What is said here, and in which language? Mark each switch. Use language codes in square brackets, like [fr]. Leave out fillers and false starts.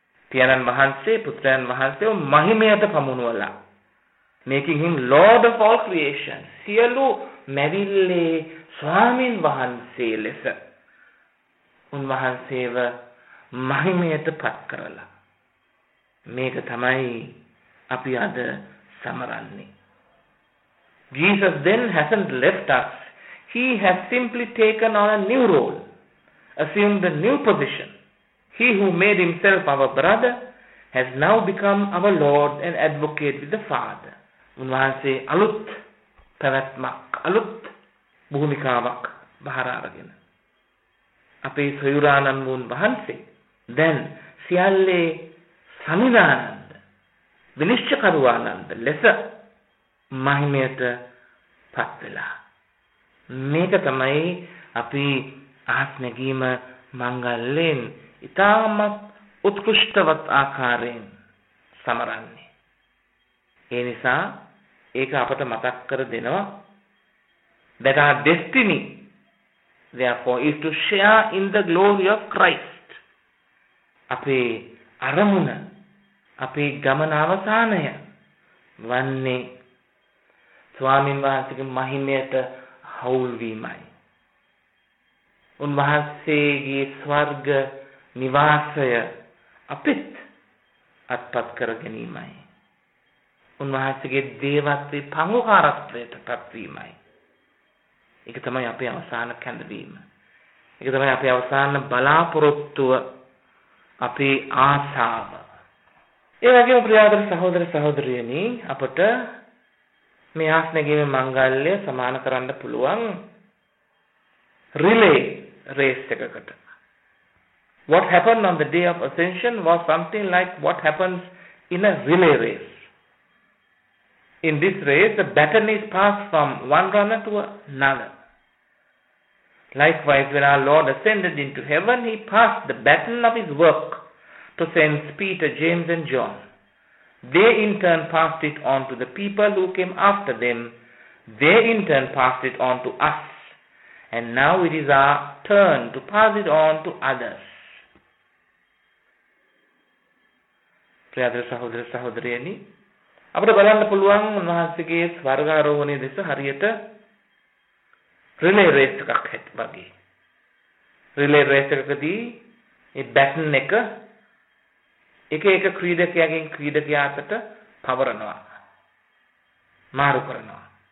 [si] පියනන් වහන්සේ පුත්‍රයන් වහන්සේ මහිමයට පමුණුවලා [en] making him Lord of all creation, [si] සියලු මැවිල්ලේ ස්වාමින් වහන්සේ ලෙස උන්වහන්සේව මහිමයට පත් කරලා මේක තමයි අපි අද සමරන්නේ. [en] Jesus then hasn't left us. He has simply taken on a new role, assumed a new position. He who made himself our brother has now become our Lord and advocate with the Father. [si] උන්වහන්සේ අලුත් පැවැත්මක්, අලුත් භූමිකාවක් බහර අරගෙන අපේ සොයුරාණන් වුන් වහන්සේ දැන් සියල්ලේ සමිදානන්ද, විනිශ්චකරුවානන්ද ලෙස මහිමයට පත් වෙලා. මේක තමයි අපි අහස් නැගීම මංගල්‍යෙන් ඉතාමත් උත්කෘෂ්ටවත් ආකාරයෙන් සමරන්නේ. ඒ නිසා ඒක අපට මතක් කර දෙනවා [en] that our destiny therefore is to share in the glory of Christ. [si] අපේ අරමුණ, අපේ ගමන අවසානය වන්නේ ස්වාමීන් වහන්සේගේ මහිමයට හවුල් වීමයි. උන්වහන්සේගේ ස්වර්ග නිවාසය අපිට අත්පත් කර ගැනීමයි. උන්වහන්සේගේ දේවත්වයේ පංගුකාරත්වයට පත් වීමයි. ඒක තමයි අපේ අවසාන කැඳවීම. ඒක තමයි අපේ අවසාන බලාපොරොත්තුව, අපේ ආශාව. ඒ වගේම ප්‍රියාදර සහෝදර සහෝදරියනි, අපට මේ ආස් නැගීමේ මංගල්‍ය සමාන කරන්න පුළුවන් රිලේ රේස් එකකට. [en] What happened on the day of ascension was something like what happens in a relay race. In this race, the baton is passed from one runner to another. Likewise, when our Lord ascended into heaven, he passed the baton of his work to Saints Peter, James and John. They in turn passed it on to the people who came after them. They in turn passed it on to us. And now it is our turn to pass it on to others. [si] ප්‍රියදර සහෝදර සහෝදරියනි, අපිට බලන්න පුළුවන් උන්වහන්සේගේ ස්වර්ගාරෝහණය දෙස හරියට relay raise එකක් වගේ. Relay raise එකකදී මේ බැටන් එක එක එක ක්‍රීඩකයාගෙන් ක්‍රීඩකයාට පවරනවා, මාරු කරනවා.